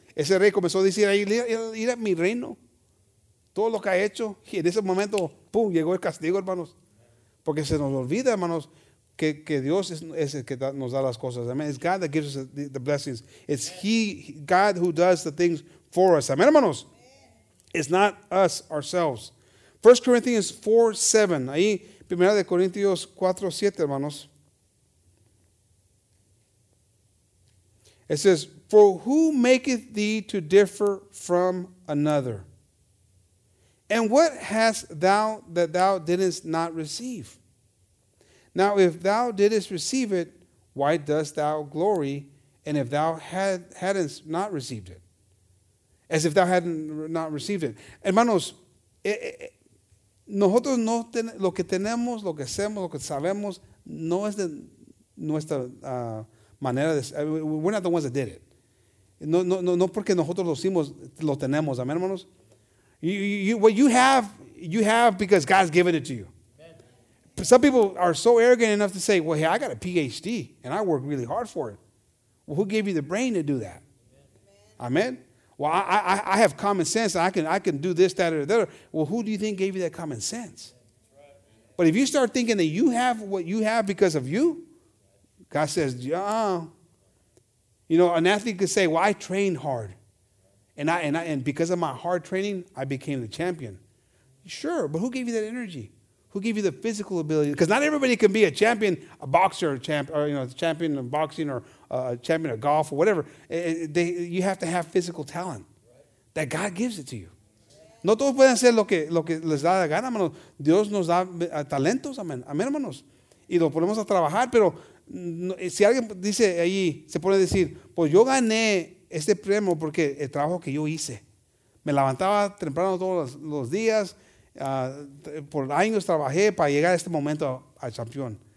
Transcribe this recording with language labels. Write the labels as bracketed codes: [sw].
[es] Ese rey comenzó a decir, ir a mi reino, todo lo que ha hecho. Y en ese momento, pum, llegó el castigo, hermanos. Porque se nos olvida, hermanos, que Dios es el que nos da las cosas. [en] Amen. It's God that gives us the blessings. It's God who does the things for us. Amen, hermanos. It's not us, ourselves. 1 Corinthians 4:7. Ahí, 1 Corinthians 4:7, hermanos. It says, for who maketh thee to differ from another? And what hast thou that thou didst not receive? Now, if thou didst receive it, why dost thou glory? And if thou hadst not received it, as if thou hadn't not received it. [es] Hermanos, nosotros no lo que tenemos, lo que hacemos, lo que sabemos, no es de nuestra manera de. [en] We're not the ones that did it. [es] No, porque nosotros lo hicimos, lo tenemos. Amén, hermanos. [en] What you have because God's given it to you. Amen. Some people are so arrogant enough to say, well, hey, I got a PhD and I work really hard for it. Well, who gave you the brain to do that? Amen. Well, I have common sense and I can do this, that, or the other. Well, who do you think gave you that common sense? But if you start thinking that you have what you have because of you, God says, yeah. You know, an athlete could say, well, I trained hard. And because of my hard training, I became the champion. Sure, but who gave you that energy? Who gave you the physical ability? Because not everybody can be a champion, a boxer, a champion of boxing, or a champion of golf, or whatever. You have to have physical talent that God gives it to you. [es] No todos pueden hacer lo que les da la gana, hermanos. Dios nos da talentos, amén, hermanos. Y lo ponemos a trabajar, pero si alguien dice ahí, se puede decir, pues yo gané este premio porque el trabajo que yo hice. Me levantaba temprano todos los días, por años trabajé para llegar a este momento al campeón.